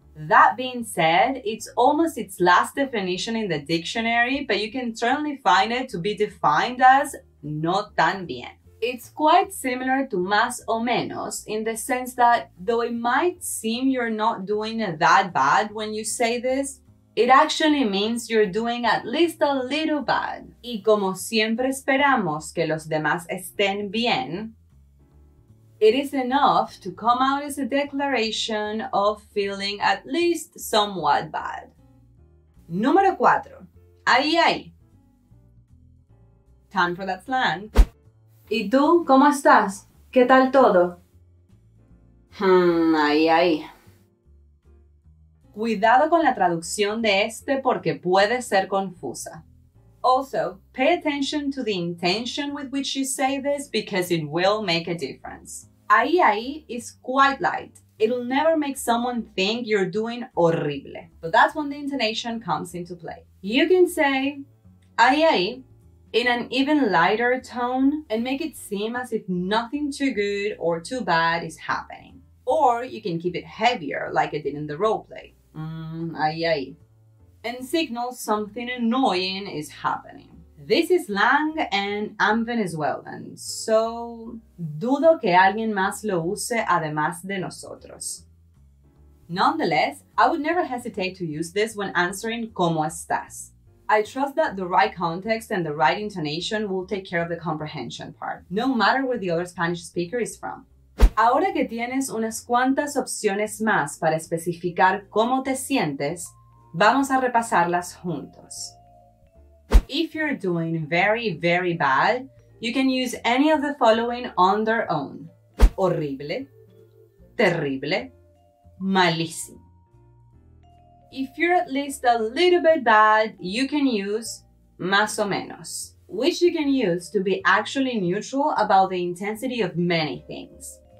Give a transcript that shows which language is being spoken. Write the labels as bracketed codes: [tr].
[en] That being said, it's almost its last definition in the dictionary, but you can certainly find it to be defined as [es] no tan bien. [en] It's quite similar to más o menos in the sense that though it might seem you're not doing that bad when you say this, it actually means you're doing at least a little bad. [es] Y como siempre esperamos que los demás estén bien, [en] it is enough to come out as a declaration of feeling at least somewhat bad. [es] Número 4. Ahí, ahí. [en] Time for that slang. [es] ¿Y tú, cómo estás? ¿Qué tal todo? Ahí, ahí. Cuidado con la traducción de este porque puede ser confusa. [en] Also, pay attention to the intention with which you say this because it will make a difference. Ahí, ahí is quite light. It'll never make someone think you're doing horrible. But that's when the intonation comes into play. You can say, ahí, ahí, in an even lighter tone and make it seem as if nothing too good or too bad is happening. Or you can keep it heavier like it did in the roleplay. Ay, ay. And signal something annoying is happening. This is slang and I'm Venezuelan, so [es] dudo que alguien más lo use además de nosotros. [en] Nonetheless, I would never hesitate to use this when answering cómo estás. I trust that the right context and the right intonation will take care of the comprehension part, no matter where the other Spanish speaker is from. [es] Ahora que tienes unas cuantas opciones más para especificar cómo te sientes, vamos a repasarlas juntos. [en] If you're doing very, very bad, you can use any of the following on their own. [es] Horrible, terrible, malísimo. [en] If you're at least a little bit bad, you can use más o menos, which you can use to be actually neutral about the intensity of many things.